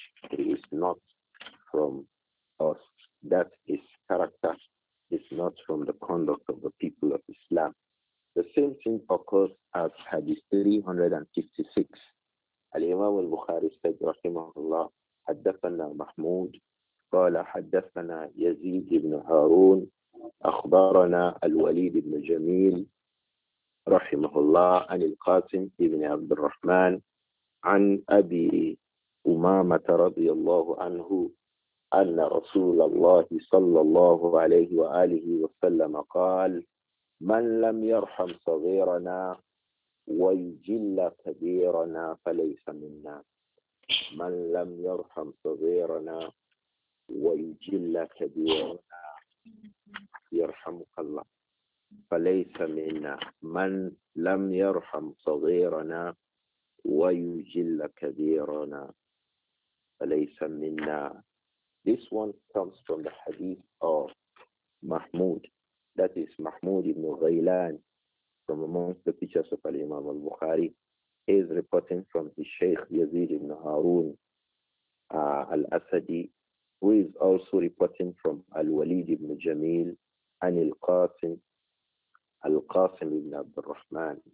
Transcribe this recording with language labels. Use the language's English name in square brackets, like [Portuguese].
[English] He is not from us. That his character is not from the conduct of the people of Islam. The same thing occurs as Hadith 356. Al-Imam al-Bukhari said, Rahimahullah, حَدَّثَنَا Mahmud. [Arabic] قال حدثنا يزيد بن هارون أخبرنا الوليد بن جميل رحمه الله عن القاسم بن عبد الرحمن عن أبي أمامة رضي الله عنه أن رسول الله صلى الله عليه وآله وسلم قال من لم يرحم صغيرنا ويجل كبيرنا فليس منا من لم يرحم صغيرنا وَيُجِلَّ كَبِيرَنَا يَرْحَمُكَ اللَّهُ فَلَيْسَ مِنَّا مَنْ لَمْ يَرْحَمْ صَغِيرَنَا وَيُجِلَّ كَبِيرَنَا فَلَيْسَ مِنَّا. [English] This one comes from the hadith of Mahmud. That is Mahmud ibn Ghailan, from amongst the teachers of Imam al-Bukhari. He is reporting from his Shaykh Yazid ibn Harun al-Asadi, who is also reporting from Al-Walid ibn Jamil and Al-Qasim ibn Abd al-Rahman.